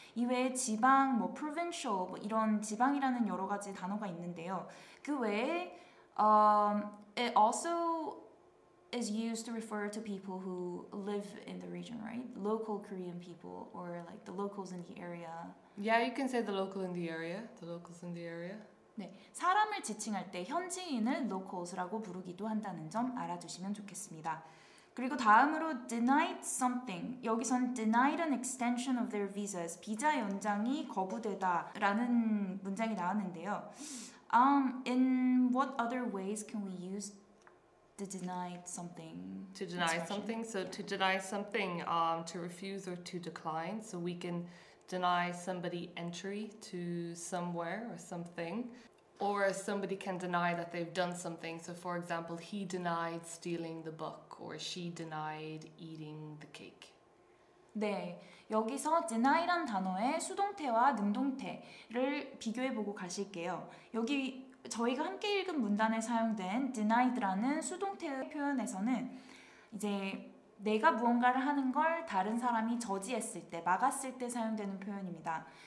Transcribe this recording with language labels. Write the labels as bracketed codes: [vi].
[ko] 이외에 지방, 뭐 provincial, 뭐 이런 지방이라는 여러 가지 단어가 있는데요. 그 외에 [en] it also is used to refer to people who live in the region, right? Local Korean people or like the locals in the area. Yeah, you can say the local in the area. The locals in the area. [ko] 네, 사람을 지칭할 때 현지인을 locals라고 부르기도 한다는 점 알아두시면 좋겠습니다. 그리고 다음으로 [en] denied something. [ko] 여기선 [en] denied an extension of their visas. [ko] 비자 연장이 거부되다 라는 문장이 나왔는데요. [en] In what other ways can we use to deny something. To deny expression. Something. So yeah. To deny something, to refuse or to decline. So we can deny somebody entry to somewhere or something. Or somebody can deny that they've done something. So for example, he denied stealing the book or she denied eating the cake. [ko] 네, 여기서 deny란 단어의 수동태와 능동태를 비교해보고 가실게요. 여기 저희가 함께 읽은 문단에 사용된 denied라는 수동태의 표현에서는 이제 내가 무언가를 하는 걸 다른 사람이 저지했을 때, 막았을 때 사용되는 표현입니다.